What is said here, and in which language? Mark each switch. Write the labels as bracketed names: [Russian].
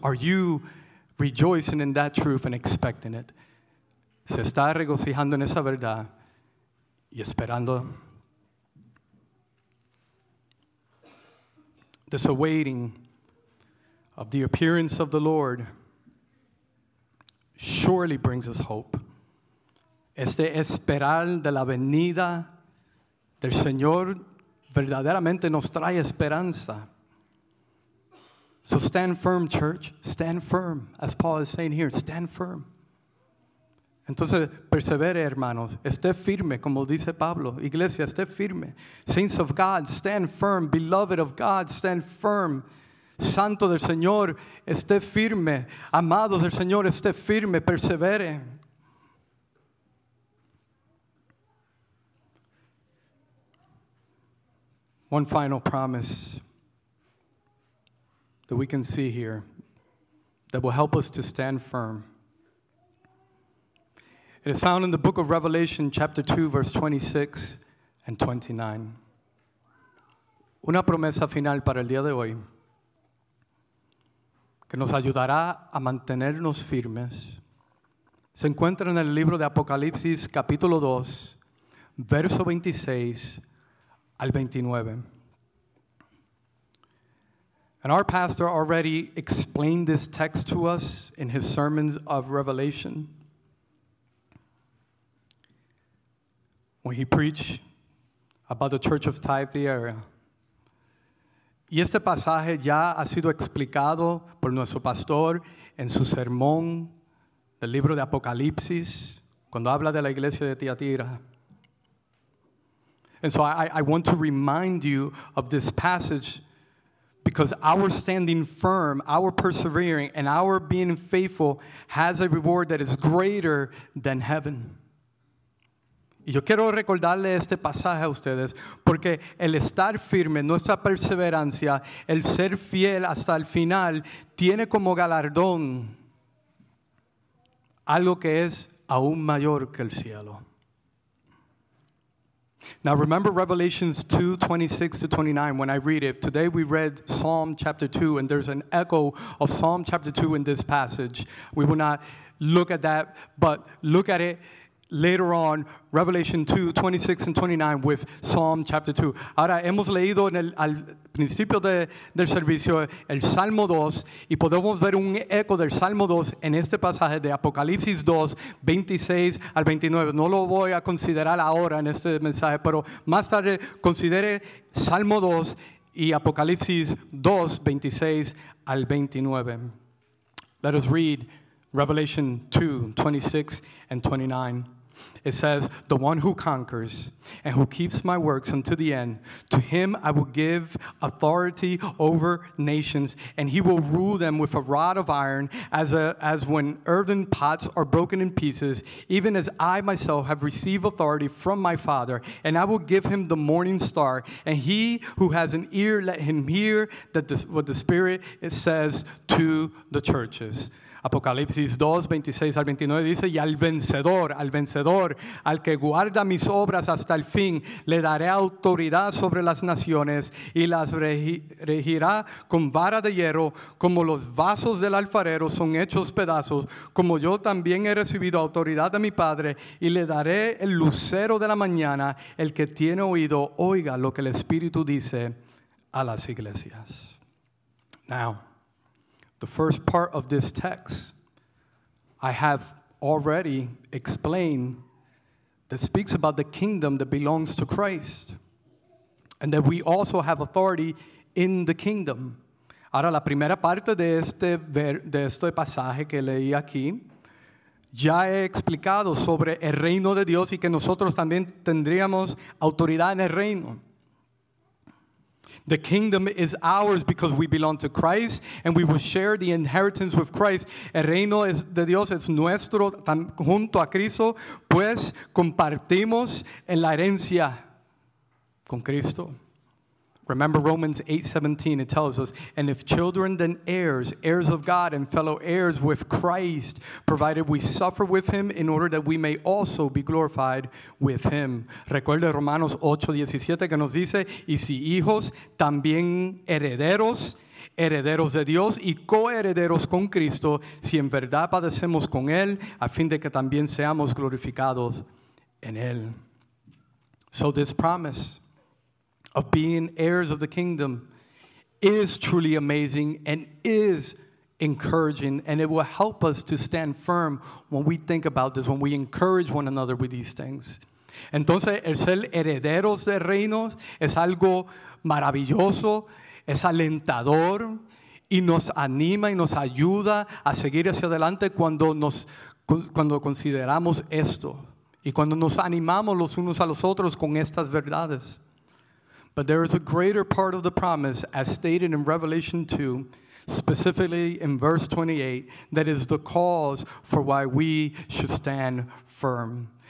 [English] Are you rejoicing in that truth and expecting it? [Spanish] Se está regocijando en esa verdad y esperando. [English] This awaiting of the appearance of the Lord surely brings us hope. [Spanish] Este esperar de la venida del Señor verdaderamente nos trae esperanza. [English] So stand firm, church. Stand firm, as Paul is saying here. Stand firm. [Spanish] Entonces, persevere, hermanos. Esté firme, como dice Pablo. Iglesia, esté firme. [English] Saints of God, stand firm. Beloved of God, stand firm. [Spanish] Santo del Señor, esté firme. Amados del Señor, esté firme. Persevere. [English] One final promise that we can see here that will help us to stand firm. It is found in the book of Revelation, chapter 2, verse 26 and 29. [Spanish] Una promesa final para el día de hoy que nos ayudará a mantenernos firmes se encuentra en el libro de Apocalipsis, capítulo 2, verso 26 al 29. [English] And our pastor already explained this text to us in his sermons of Revelation. When he preached about the church of Thyatira. [Spanish] Y este pasaje ya ha sido explicado por nuestro pastor en su sermón del libro de Apocalipsis, cuando habla de la iglesia de Tiatira. [English] And so I want to remind you of this passage because our standing firm, our persevering, and our being faithful has a reward that is greater than heaven. [Spanish] Y yo quiero recordarle este pasaje a ustedes porque el estar firme, nuestra perseverancia, el ser fiel hasta el final, tiene como galardón algo que es aún mayor que el cielo. [English] Now remember Revelations 2, 26 to 29 when I read it. Today we read Psalm chapter 2 and there's an echo of Psalm chapter 2 in this passage. We will not look at that, but look at it. Later on, Revelation 2, 26 and 29 with Psalm chapter 2. [Spanish] Ahora, hemos leído en el, al principio de, del servicio el Salmo 2 y podemos ver un eco del Salmo 2 en este pasaje de Apocalipsis 2, 26 al 29. No lo voy a considerar ahora en este mensaje, pero más tarde considere Salmo 2 y Apocalipsis 2, 26 al 29. [English] Let us read Revelation 2, 26 and 29. It says, the one who conquers and who keeps my works until the end, to him I will give authority over nations, and he will rule them with a rod of iron, as when earthen pots are broken in pieces, even as I myself have received authority from my Father, and I will give him the morning star. And he who has an ear, let him hear that what the Spirit says to the churches. [Spanish] Apocalipsis 2, 26 al 29 dice, y al vencedor, al que guarda mis obras hasta el fin, le daré autoridad sobre las naciones y las regirá con vara de hierro, como los vasos del alfarero son hechos pedazos, como yo también he recibido autoridad de mi Padre y le daré el lucero de la mañana, el que tiene oído, oiga lo que el Espíritu dice a las iglesias. [English] Now, the first part of this text, I have already explained, that speaks about the kingdom that belongs to Christ, and that we also have authority in the kingdom. [Spanish] Ahora, la primera parte de este pasaje que leí aquí, ya he explicado sobre el reino de Dios y que nosotros también tendríamos autoridad en el reino. [English] The kingdom is ours because we belong to Christ and we will share the inheritance with Christ. [Spanish] El reino de Dios es nuestro junto a Cristo, pues compartimos en la herencia con Cristo. [English] Remember Romans 8:17, it tells us, and if children, then heirs, heirs of God and fellow heirs with Christ, provided we suffer with him in order that we may also be glorified with him. [Spanish] Recuerde Romanos 8:17 que nos dice, y si hijos, también herederos, herederos de Dios y coherederos con Cristo, si en verdad padecemos con él, a fin de que también seamos glorificados en él. [English] So this promise of being heirs of the kingdom is truly amazing and is encouraging, and it will help us to stand firm when we think about this, when we encourage one another with these things. [Spanish] Entonces, el ser herederos del reino es algo maravilloso, es alentador, y nos anima y nos ayuda a seguir hacia adelante cuando consideramos esto, y cuando nos animamos los unos a los otros con estas verdades. [English] But there is a greater part of the promise, as stated in Revelation 2, specifically in verse 28, that is the cause for why we should stand firm.